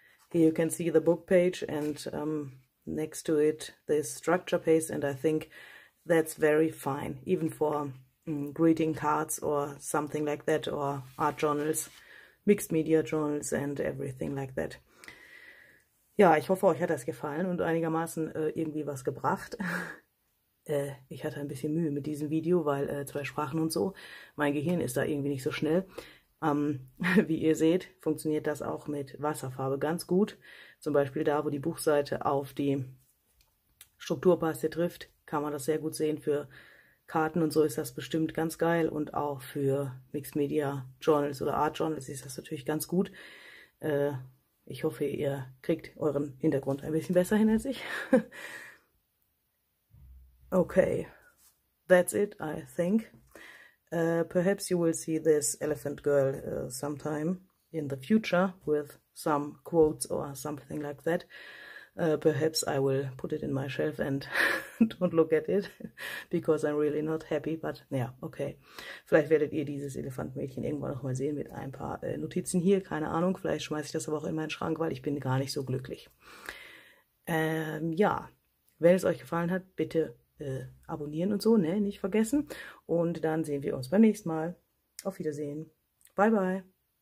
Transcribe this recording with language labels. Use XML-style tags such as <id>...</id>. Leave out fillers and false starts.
<en>Here you can see the book page, and next to it this structure paste, and I think that's very fine, even for greeting cards or something like that, or art journals, mixed media journals and everything like that.</en> <de>Ja, ich hoffe, euch hat das gefallen und einigermaßen irgendwie was gebracht. Ich hatte ein bisschen Mühe mit diesem Video, weil zwei Sprachen und so. Mein Gehirn ist da irgendwie nicht so schnell. Wie ihr seht, funktioniert das auch mit Wasserfarbe ganz gut. Zum Beispiel da, wo die Buchseite auf die Strukturpaste trifft, kann man das sehr gut sehen. Für Karten und so ist das bestimmt ganz geil. Und auch für Mixed Media Journals oder Art Journals ist das natürlich ganz gut. Ich hoffe, ihr kriegt euren Hintergrund ein bisschen besser hin als ich.</de> <en>Okay, that's it, I think. Perhaps you will see this elephant girl sometime in the future with some quotes or something like that. Perhaps I will put it in my shelf and don't look at it, because I'm really not happy, but yeah, okay.</en> <de>Vielleicht werdet ihr dieses Elefantmädchen irgendwann nochmal sehen mit ein paar Notizen hier, keine Ahnung. Vielleicht schmeiße ich das aber auch in meinen Schrank, weil ich bin gar nicht so glücklich. Ja, wenn es euch gefallen hat, bitte abonnieren und so, ne, nicht vergessen. Und dann sehen wir uns beim nächsten Mal. Auf Wiedersehen.</de> <en>Bye, bye.</en>